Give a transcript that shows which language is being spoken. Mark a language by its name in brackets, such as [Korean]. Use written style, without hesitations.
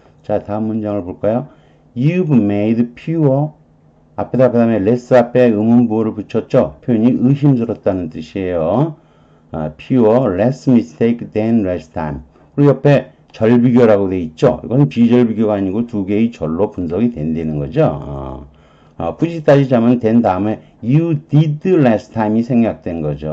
[Korean] 자 다음 문장을 볼까요? [English] You've made fewer [Korean] 앞에다 그다음에 less 앞에 의문 부호를 붙였죠. 표현이 의심스럽다는 뜻이에요. [English] Fewer less mistake than last time. [Korean] 그리고 옆에 절비교라고 돼 있죠. 이건 비절비교가 아니고 두 개의 절로 분석이 된다는 거죠. 굳이 따지자면 된 다음에 [English] you did last time [Korean] 이 생략된 거죠.